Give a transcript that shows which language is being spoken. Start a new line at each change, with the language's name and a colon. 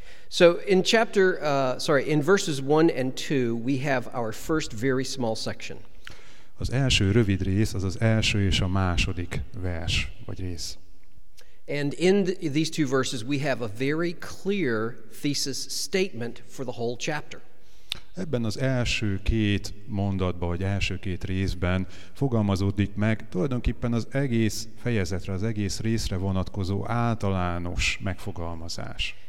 English: So in chapter, in verses 1 and 2, we have our first very small section.
Hungarian: Az első rövid rész, az az első és a második vers vagy rész.
English: And in these two verses we have a very clear thesis statement for the whole chapter.
Hungarian: Ebben az első két mondatban, vagy első két részben fogalmazódik meg tulajdonképpen az egész fejezetre, az egész részre vonatkozó általános megfogalmazás.